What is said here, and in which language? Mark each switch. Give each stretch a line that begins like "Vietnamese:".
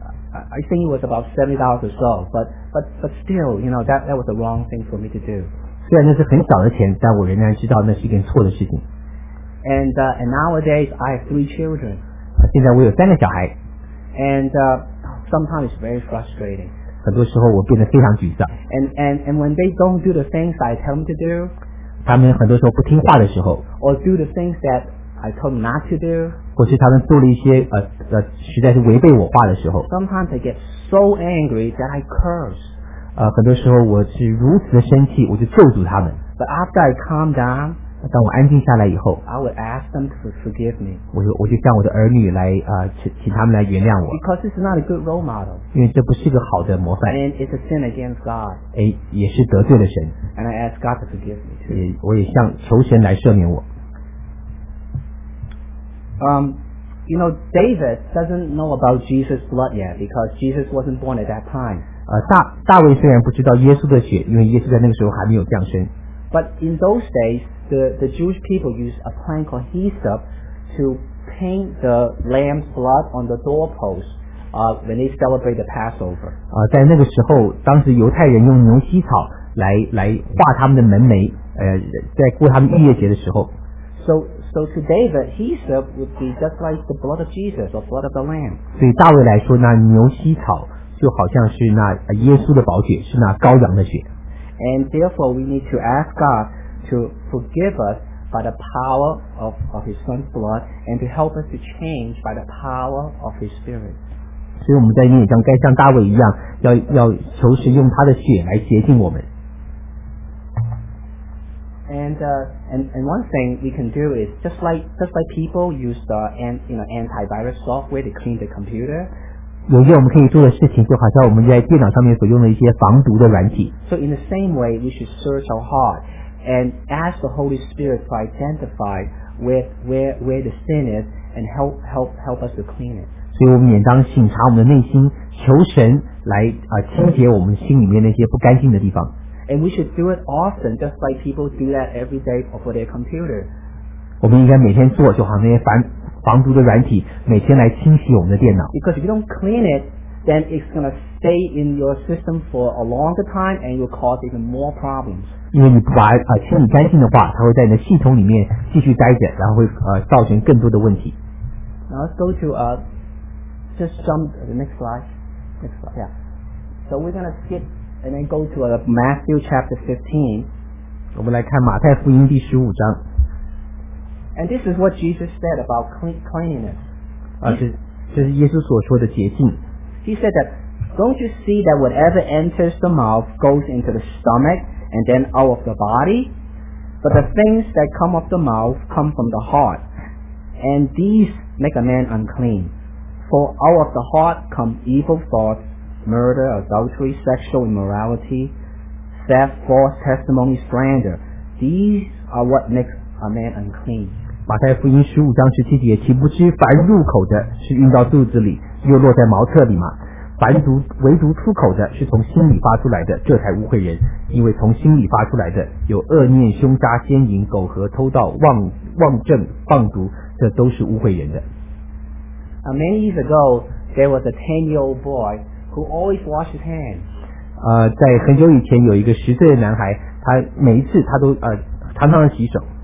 English: I think it was about $70 or so, but still, you know, that was the wrong thing for me to do.
Chinese: 虽然那是很少的钱，但我仍然知道那是一件错的事情。
English: And nowadays I have 3 children.
Chinese: 现在我有3个小孩。
English: And sometimes it's very frustrating.
Chinese: 很多时候我变得非常沮丧。
English: And when they don't do the things I tell them to do,
Chinese: 他们很多时候不听话的时候。
English: Or do the things that I told them not to do,
Chinese: 或是他们做了一些实在是违背我话的时候。
English: Sometimes I get so angry that I curse.
Chinese: 很多时候我是如此的生气，我就咒诅他们。
English: But after I calm down,
Chinese: 当我安静下来以后
English: I would ask them to forgive me.
Chinese: 我就向我的儿女来、请他们来原谅我
English: Because it's not a good role model.
Chinese: 因为这不是个好的模范
English: And it's a sin against God.
Chinese: 也是得罪了神
English: And I ask God to forgive me too.
Chinese: 我也向求神来赦免我
English: You know, David doesn't know about Jesus' blood yet because Jesus wasn't born at that time.
Chinese: 大卫虽然不知道耶稣的血因为耶稣在那个时候还没有降生
English: But in those days,The Jewish people used a plant called hyssop to paint the lamb's blood on the doorpost when they celebrate the Passover.
Chinese: 在那个时候，当时犹太人用牛膝草来画他们的门楣，在过他们逾越节的时候。
English: So to David, hyssop would be just like the blood of Jesus or blood of the lamb.
Chinese: 对大卫来说，那牛膝草就好像是那耶稣的宝血，是那羔羊的血。
English: And therefore, we need to ask God. To forgive us by the power of His Son's blood, and to help us to change by the power of His Spirit.
Chinese: 所以我们在念章该像大卫一样，要求神用他的血来洁净我们。
English: And one thing we can do is just like people use the antivirus software to clean the computer.
Chinese: 有些我们可以做的事情就好像我们在电脑上面所用的一些防毒的软体。
English: So in the same way, we should search our heart. And ask the Holy Spirit to identify with where the sin is, and help us to clean it.
Chinese: 所以我们也当审查我们的内心，求神来清洁我们心里面那些不干净的地方。
English: And we should do it often, just like people do that every day for their computer.
Chinese: 我们应该每天做，就好像那些防毒的软体，每天来清洗我们的电脑。
English: Because if you don't clean it, then it's going to stay in your system for a longer time, and will cause even more problems.
Chinese: 因为你不把清理干净的话，它会在你的系统里面继续待着，然后会造成更多的问题。
English: Now let's go to just jump to the next slide. Next slide, yeah. So we're gonna skip and then go to Matthew chapter 15.
Chinese: 我们来看马太福音第十五章。
English: And this is what Jesus said about cleanliness.
Chinese: 这是耶稣所说的洁净。
English: He said that, "Don't you see that whatever enters the mouth goes into the stomach?" And then out of the body, but the things that come of the mouth come from the heart, and these make a man unclean. For out of the heart come evil thoughts, murder, adultery, sexual immorality, theft, false testimony, slander. These are what makes a man unclean.
Chinese: 马太福音十五章十七节，岂不知凡入口的是运到肚子里，又落在茅厕里吗？唯独出口的是从心里发出来的，这才污秽人。因为从心里发出来的有恶念、凶杀、奸淫、苟合、偷盗、妄证、放毒，这都是污秽人的。
English: Many years ago, there was a 10-year-old boy who always washed his hands.
Chinese: 在很久以前，有一个十岁的男孩，他每一次他都常常洗手。